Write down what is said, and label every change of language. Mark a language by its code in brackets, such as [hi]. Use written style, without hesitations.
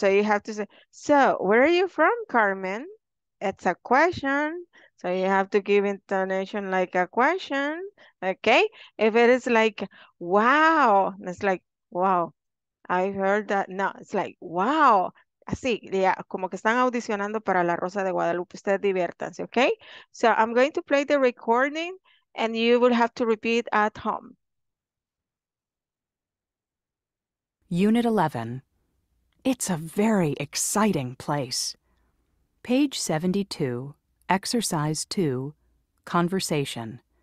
[en] So, you have to say, so, where are you from, Carmen? It's a question. So you have to give intonation like a question, okay? If it is like, wow, it's like, wow, I heard that. No, it's like, wow. [es] Así, yeah, como que están audicionando para La Rosa de Guadalupe. Ustedes diviértanse, okay? [en] So I'm going to play the recording and you will have to repeat at home. Unit 11. It's a very exciting place. Page 72. Exercise 2. Conversation.